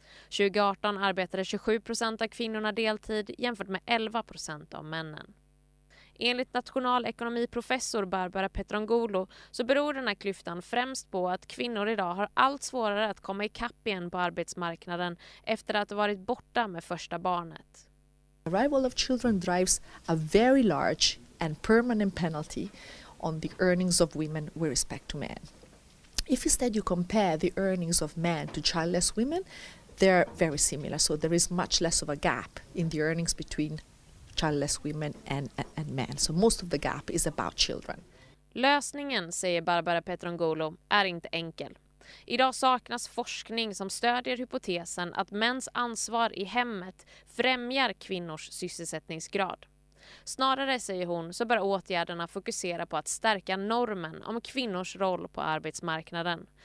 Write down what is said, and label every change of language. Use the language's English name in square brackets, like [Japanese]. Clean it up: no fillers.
[Swedish] 2018 arbetade 27% av kvinnorna deltid jämfört med 11% av männen. Enligt nationalekonomiprofessor Barbara Petrangolo så beror den här klyftan främst på att kvinnor idag har allt svårare att komma ikapp igen på arbetsmarknaden efter att ha varit borta med första barnet. [English] Arrival of children drives a very large and permanent penalty on the earnings of women with respect to men. If instead you compare the earnings of men to childless women, they're very similar, so there is much less of a gap in the earnings between childless women and men. So most of the gap is about children. [Swedish] Lösningen, säger Barbara Petrangolo, är inte enkel. Idag saknas forskning som stödjer hypotesen att mäns ansvar i hemmet främjar kvinnors sysselsättningsgrad. Snarare, säger hon, så bör åtgärderna fokusera på att stärka normen om kvinnors roll på arbetsmarknaden.